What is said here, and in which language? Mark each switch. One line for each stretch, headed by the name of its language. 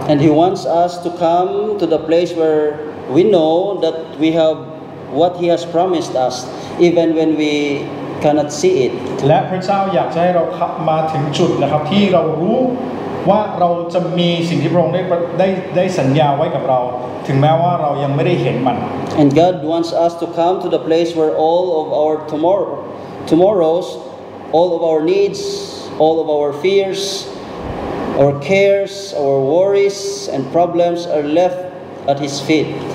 English: And he wants us to come to the place where we know that we have what he has promised us even when we cannot see it
Thai: และพระเจ้าอยากจะให้เรามาถึงจุดนะครับที่เรารู้ว่าเราจะมีสิ่งที่พระองค์ได้สัญญาไว้กับเราถึงแม้ว่าเรายังไม่ได้เห็นมัน
English: And God wants us to come to the place where all of our tomorrows, all of our needs, all of our fears, our cares, our worries and problems are left at His feet.